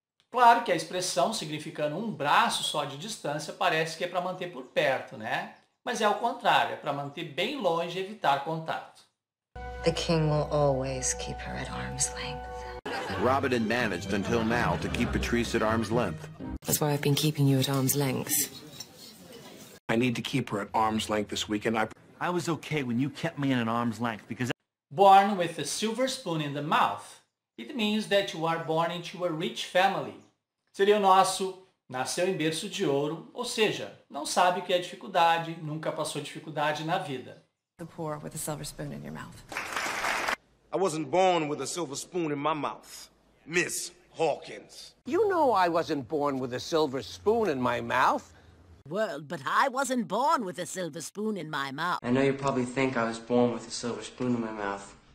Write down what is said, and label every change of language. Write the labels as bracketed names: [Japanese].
[Portuguese] Claro que a expressão significando um braço só de distância parece que é para manter por perto, né? Mas é o contrário, é para manter bem longe e evitar contato. [English] The king will always keep her at arm's length. Robert had managed until now to keep Patrice at arm's length. That's why I've been keeping you at arm's length. I need to keep her at arm's length this weekend. I was okay when you kept me in an arm's length because... Born with a silver spoon in the mouth. It means that you are born into a rich family. [Portuguese] Seria o nosso, nasceu em berço de ouro, ou seja, não sabe o que é dificuldade, nunca passou dificuldade na vida. [English] The poor with a silver spoon in your mouth. I wasn't born with a silver spoon in my mouth, Miss Hawkins. You know I wasn't born with a silver spoon in my mouth. World, but I wasn't born with a silver spoon in my mouth. I know you probably think I was born with a silver spoon in my mouth.